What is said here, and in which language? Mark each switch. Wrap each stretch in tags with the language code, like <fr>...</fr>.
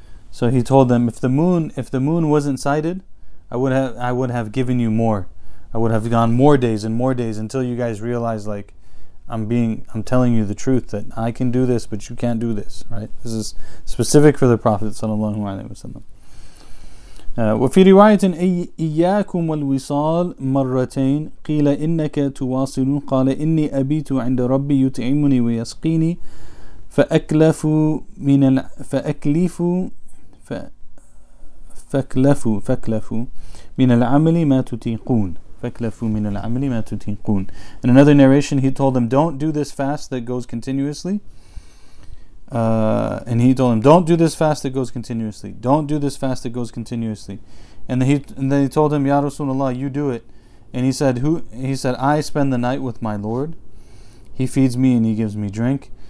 <en>So he told them, if the moon wasn't sighted, I would have given you more. I would have gone more days and more days until you guys realize, like, I'm telling you the truth that I can do this, but you can't do this, right? This is specific for the Prophet sallallahu alaihi wasallam.</en> <ar>وفي رواية إياكم والوصال مرتين قيل إنك تواصل قال إني أبيت عند ربي يطعمني ويسقيني فأكلفوا من العمل ما تطيقون فَكْلَفُوا مِنَ الْعَمْلِ مَا تُتِيقُونَ.</ar> <en>In another narration, he told them, don't do this fast that goes continuously. And he told them, don't do this fast that goes continuously. Don't do this fast that goes continuously. And then he told him, Ya Rasulullah, you do it. And he said, I spend the night with my Lord. He feeds me and he gives me drink.</en>